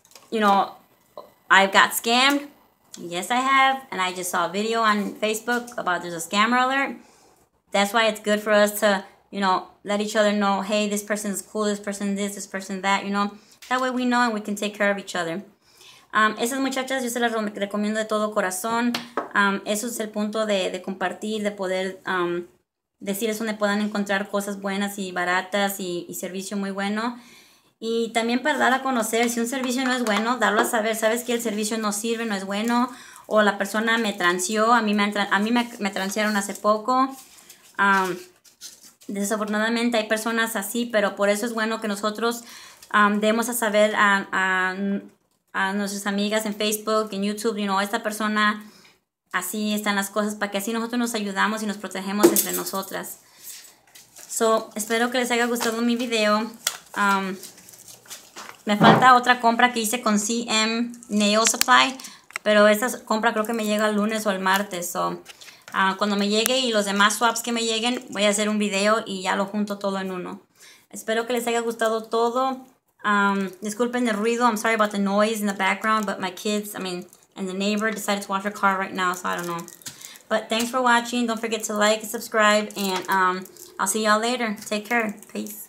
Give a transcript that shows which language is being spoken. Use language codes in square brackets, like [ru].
[en] You know, I've got scammed. Yes, I have. And I just saw a video on Facebook about there's a scammer alert. That's why it's good for us to, you know, let each other know, hey, this person's cool, this person that, you know. That way we know and we can take care of each other. [es] Esas muchachas, yo se las recomiendo de todo corazón. Eso es el punto de compartir, de poder decirles donde puedan encontrar cosas buenas y baratas y servicio muy bueno. Y también para dar a conocer, si un servicio no es bueno, darlo a saber. ¿Sabes que el servicio no sirve, no es bueno? O la persona me transió, a mí me transearon hace poco. Desafortunadamente hay personas así, pero por eso es bueno que nosotros demos a saber a nuestras amigas en Facebook, en YouTube, [en] you know, [es] esta persona, así están las cosas, para que así nosotros nos ayudamos y nos protegemos entre nosotras. So, espero que les haya gustado mi video. Me falta otra compra que hice con CM Nail Supply, pero esta compra creo que me llega el lunes o el martes. So, cuando me llegue y los demás swaps que me lleguen, voy a hacer un video y ya lo junto todo en uno. Espero que les haya gustado todo. Disculpen el ruido, [en] I'm sorry about the noise in the background, but my kids, and the neighbor decided to wash her car right now, so I don't know. But thanks for watching, don't forget to like and subscribe, and I'll see y'all later. Take care, peace.